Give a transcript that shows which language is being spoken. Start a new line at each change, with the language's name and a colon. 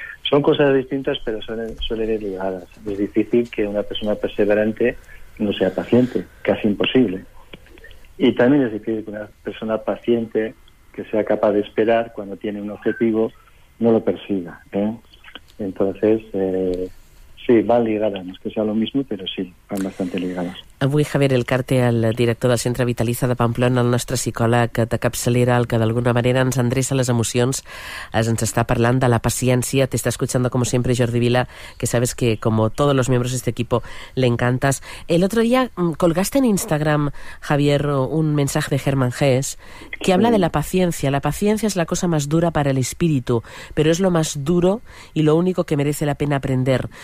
Spanish: Son cosas distintas, pero suelen ir ligadas. Es difícil que una persona perseverante no sea paciente, casi imposible. Y también es difícil que una persona paciente que sea capaz de esperar cuando tiene un objetivo, no lo persiga, ¿eh? Entonces, sí, van ligadas, no es que sea lo mismo, pero sí, van bastante ligadas.
Catalan: Avui Javier Elcarte, el director del Centre Vitalitza de Pamplona, el nostre psicòleg de capçalera, el que d'alguna manera ens endreça les emocions, ens està parlant de la paciència.
Spanish: Te está escuchando como siempre Jordi Vila, que sabes que como todos los miembros de este equipo le encantas. El otro día colgaste en Instagram, Javier, un mensaje de Hermann Hesse que habla de la paciencia. La paciencia es la cosa más dura para el espíritu, pero es lo más duro y lo único que merece la pena aprender.